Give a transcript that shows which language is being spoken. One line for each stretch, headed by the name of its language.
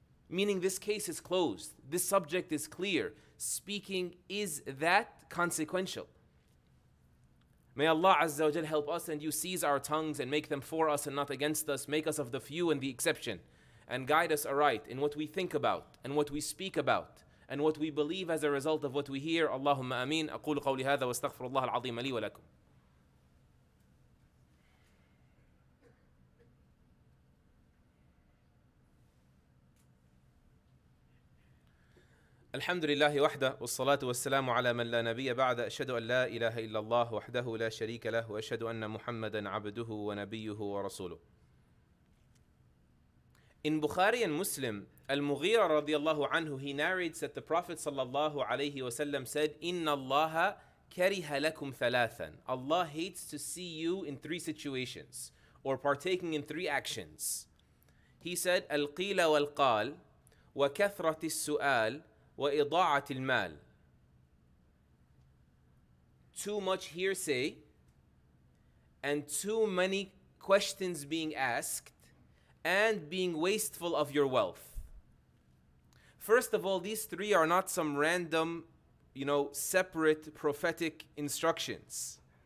English: Meaning this case is closed, this subject is clear, speaking is that consequential. May Allah
Arabic: Azza wa Jal
English: help us and you seize our tongues and make them for us and not against us, make us of the few and the exception, and guide us aright in what we think about and what we speak about and what we believe as a result of what we hear.
Arabic: Allahumma ameen. أقول قولي هذا واستغفر الله العظيم لي ولكم. الحمد لله وحده والصلاة والسلام على من لا نبي بعد. أشهد أن لا إله إلا الله وحده لا شريك له وأشهد أن محمدا عبده ونبيه ورسوله.
English: In Bukhari and Muslim, Al-Mughira
Arabic: رضي الله عنه,
English: he narrates that the Prophet
Arabic: صلى الله عليه وسلم
English: said,
Arabic: إِنَّ اللَّهَ كَرِهَ لَكُمْ ثَلَاثًا.
English: Allah hates to see you in three situations or partaking in three actions. He said,
Arabic: الْقِيلَ وَالْقَالِ وَكَثْرَةِ السُّؤَالِ وَإِضَاعَةِ الْمَالِ.
English: Too much hearsay and too many questions being asked and being wasteful of your wealth. First of all, these three are not some random, you know, separate prophetic instructions.